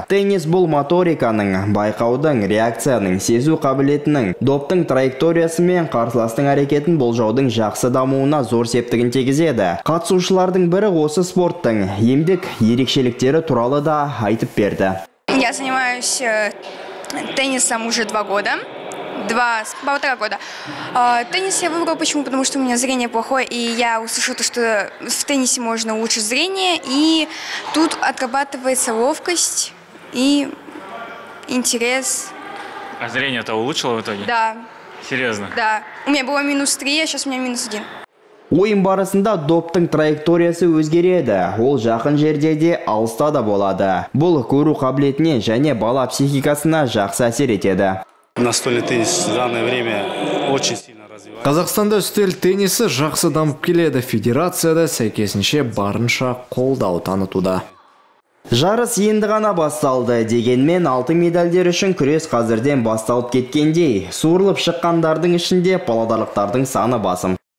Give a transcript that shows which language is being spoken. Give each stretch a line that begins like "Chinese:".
Kazakh: Теннис бұл моториканың, байқаудың, реакцияның, сезу қабілетінің, доптың траекториясы мен қарсыластың әрекетін болжаудың жақсы дамуына зор септігін тегізеді. Қатысушылардың бірі осы спорттың емдік ерекшеліктері туралы да айтып берді.
Russian: Я занимаюсь теннисом уже 2 года. 2,5 года. Теннис я выбрала, почему? Потому что у меня зрение плохое, и я услышала то, что в теннисе можно улучшить зрение, и тут отрабатывается ловкость и интерес. А зрение-то улучшило в итоге? Да. Серьезно? Да. У меня было -3, а сейчас у меня -1.
Kazakh: Ойын барысында доптың траекториясы өзгереді. Ол жақын жерде де алыста да болады. Бұл көру қабілетіне және бала психикасына жақсы әсер етеді.
Russian: Настольный теннис в данное время очень сильно развивается.
Kazakh: Қазақстанда үстел теннисі жақсы дамып келеді. Федерацияда сәйкесінше барынша қолдау танытуда. Жарыс енді ғана басталды. Дегенмен алтын медальдер үшін күрес қазірден басталып кеткендей. Суырылып шыққандардың ішінде павлодарлықтардың саны басым.